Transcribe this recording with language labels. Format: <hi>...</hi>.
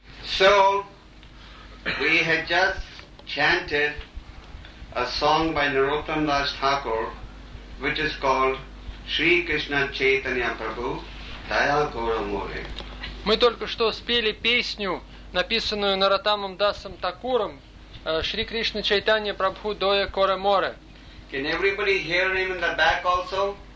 <en>So, we had just chanted a song by Narottam Das Thakur, which is called Shri Krishna Chaitanya Prabhu Daya Gora More.</en> <ru>Мы только что спели песню, написанную Наратамом Дасом Такуром, Шри Кришна Чайтанья Прабху Доя Кора Море.</ru> <en>Can everybody hear him in the back also?</en>